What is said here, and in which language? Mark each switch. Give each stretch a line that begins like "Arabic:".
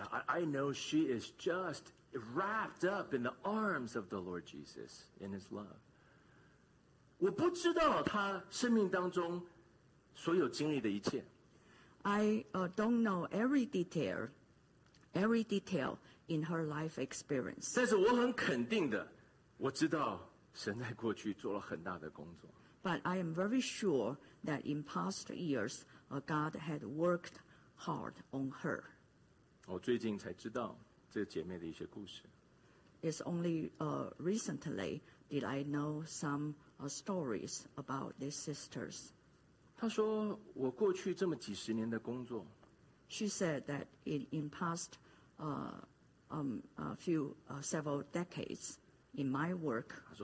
English: Yeah, I know she is just wrapped up in the arms of the Lord Jesus in his love.
Chinese: 我不知道她生命当中所有经历的一切。
English: I don't know every detail in her life experience.
Chinese: 但是我很肯定的，我知道神在过去做了很大的工作。
English: But I am very sure that in past years, God had worked hard on her.
Chinese: 我最近才知道这姐妹的一些故事。
English: It's only recently did I know some stories about these sisters. 她说我过去这么几十年的工作, She said that in past several decades, In my work,